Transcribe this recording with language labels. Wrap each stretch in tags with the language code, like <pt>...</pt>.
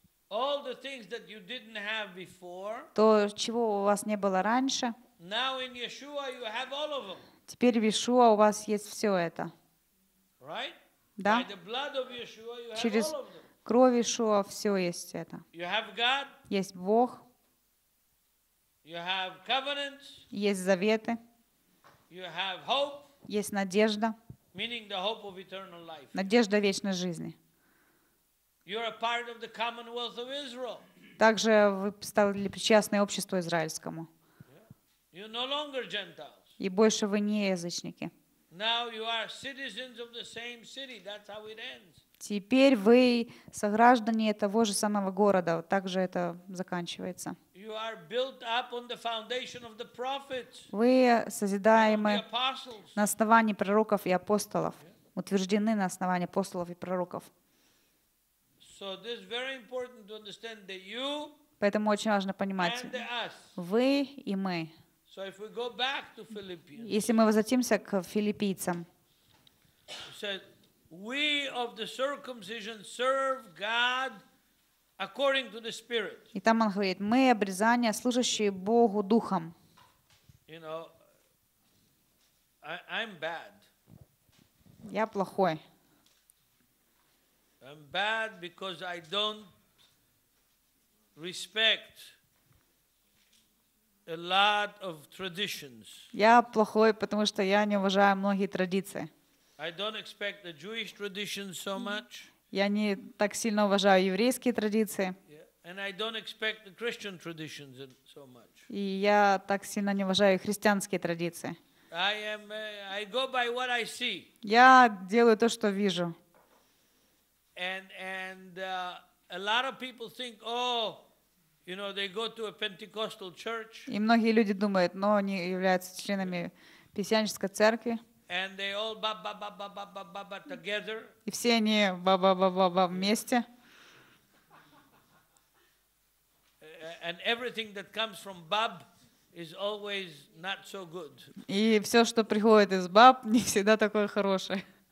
<en>All the things that you didn't have before,</en> <ru>то, чего у вас не было раньше,</ru> <en>now in Yeshua you have all of them.</en> <ru>Теперь в Иешуа у вас есть все это.</ru> <en>Right?</en> <ru>Да?</ru> <en>By the blood of Yeshua, you</en> <ru>через</ru> <en>have all of them.</en> <ru>Кровь Иешуа все есть это.</ru> <en>You have God,</en> <ru>есть Бог.</ru> <en>You have covenants.</en> <ru>Есть заветы.</ru> <en>You have hope.</en> <ru>Есть надежда.</ru> <en>Meaning the hope of eternal life.</en> <ru>Надежда вечной жизни.</ru> <en>You're a part of the commonwealth of Israel.</en> <ru>Также вы стали причастны обществу израильскому.</ru> <en>Yeah. You're no longer Gentiles.</en> <ru>И больше вы не язычники.</ru> <en>Now you are citizens of the same city. That's how it ends.</en> <ru>Теперь вы сограждане того же самого города. Так же это заканчивается.</ru> <en>You are built up on the foundation of the prophets.</en> <ru>Вы созидаемы на основании пророков и апостолов.</ru> <en>Yeah.</en> <ru>Утверждены на основании апостолов и пророков.</ru> <en>So this is very important to understand that you</en> <ru>поэтому очень важно понимать вы и мы.</ru> <en>So if we go back to Philippians,</en> <ru>если мы возвратимся к филиппийцам,</ru> <en>we of the circumcision serve God according to the Spirit.</en> <ru>И там он говорит, мы обрезание, служащие Богу духом.</ru> <en>You know, I'm bad.</en> <ru>Я плохой.</ru> <en>I'm bad because I don't respect a lot of traditions.</en> <ru>Я плохой, потому что я не уважаю многие традиции.</ru> <en>I don't expect the Jewish traditions so much.</en> <ru>Я не так сильно уважаю еврейские традиции.</ru> <en>And I don't expect the Christian traditions so much.</en> <ru>И я так сильно не уважаю христианские традиции.</ru> <en>I go by what I see.</en> <ru>Я делаю то, что вижу.</ru> <en>And a lot of people think, oh, you know, they go to a Pentecostal church.</en> <ru>И многие люди думают, но они являются членами пессианской церкви.</ru> <en>And they all ba-ba-ba-ba-ba-ba-ba together.</en> <ru>И все они ba-ba-ba-ba-ba вместе.</ru> <en>And everything that comes from Bab is always not so good.</en> <ru>И все, что приходит из Bab, не всегда такое хорошее.</ru>